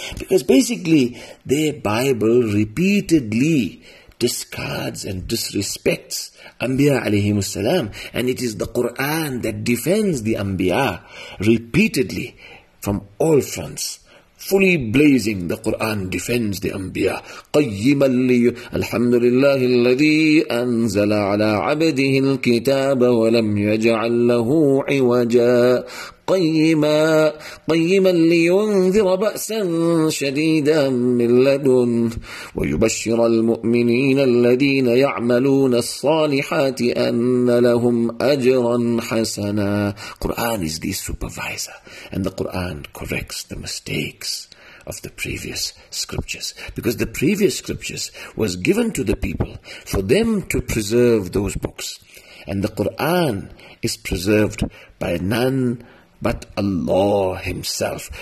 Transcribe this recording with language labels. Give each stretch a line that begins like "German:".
English: Because basically their Bible repeatedly discards and disrespects Anbiya alayhi salam, and it is the Quran that defends the Anbiya repeatedly from all fronts. Fully blazing, the Quran defends the Anbiya.
Arabic: قَيِّمًا لِّلْحَمْدُلِلَّهِ الَّذِي أَنزَلَ عَلَىٰ عَبْدِهِ الْكِتَابَ وَلَمْ يَجْعَلْ لَهُ عِوَجًا قيما لينذر بأسا شديدا من لدن ويبشر المؤمنين الذين يعملون الصالحات أن لهم أجرا حسنا.
English: Quran is the supervisor, and the Quran corrects the mistakes of the previous scriptures, because the previous scriptures was given to the people for them to preserve those books, and the Quran is preserved by none but Allah Himself.